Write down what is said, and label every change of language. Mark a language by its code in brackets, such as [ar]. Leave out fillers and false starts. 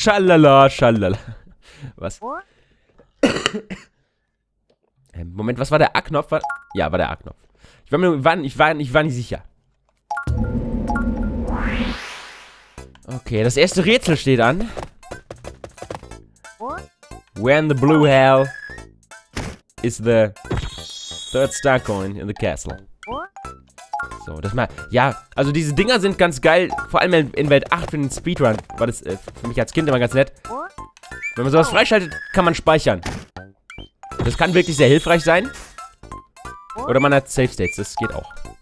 [de] Schalala, schalala. Was? Moment, was war der A-Knopf? Ja, war der A-Knopf. Ich war nicht sicher. Okay, das erste Rätsel steht an. [en] Where in the blue hell is the third star coin in the castle? [de] So, das mal. Ja, also diese Dinger sind ganz geil. Vor allem in Welt 8 für den Speedrun. War das für mich als Kind immer ganz nett. Wenn man sowas freischaltet, kann man speichern. Das kann wirklich sehr hilfreich sein. Oder man hat Safe States. Das geht auch.